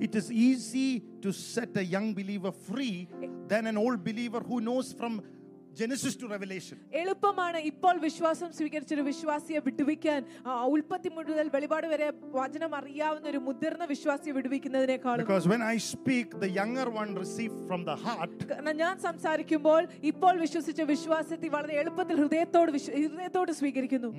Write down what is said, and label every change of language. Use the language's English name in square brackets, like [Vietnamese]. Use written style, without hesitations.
[English] It is easy to set a young believer free than an old believer who knows from Genesis to Revelation. [Malayalam] എളുപ്പമാണ് ഇപ്പോൾ വിശ്വാസം സ്വീകരിച്ച ഒരു വിശ്വാസിയെ വിടുവിക്കാൻ, ഉൽപ്പത്തി മുതൽ വെളിപാട് വരെ വചനം അറിയാവുന്ന ഒരു മുതിർന്ന വിശ്വാസിയെ വിടുവിക്കുന്നതിനേക്കാളും. [English] Because when I speak, the younger one receive from the heart. [Malayalam] ഞാൻ സംസാരിക്കുമ്പോൾ ഇപ്പോൾ വിശ്വസിച്ച വിശ്വാസത്തെ വളരെ എളുപ്പത്തിൽ ഹൃദയത്തോട് സ്വീകരിക്കുന്നു.